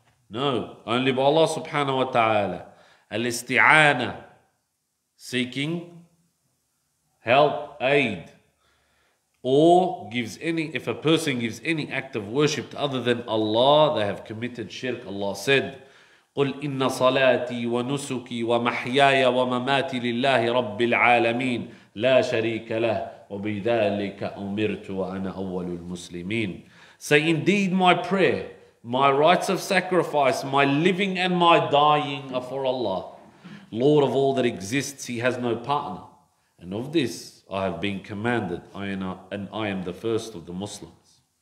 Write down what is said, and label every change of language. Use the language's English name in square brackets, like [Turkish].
[English] No, only by Allah subhanahu wa ta'ala. Al-isti'ana, seeking help, aid. Or gives any, if a person gives any act of worship to other than Allah, they have committed shirk. [Arabic] Allah said, قُلْ إِنَّ صَلَاتِي وَنُسُكِي وَمَحْيَايَ وَمَمَاتِ لِلَّهِ رَبِّ الْعَالَمِينَ لَا شَرِيكَ لَهُ وَبِذَلِكَ أُمِرْتُ وَأَنَا أَوَّلُ الْمُسْلِمِينَ. [English] Say, indeed my prayer, my rites of sacrifice, my living and my dying are for Allah. Lord of all that exists, he has no partner. And of this I have been commanded, and I am the first of the Muslims.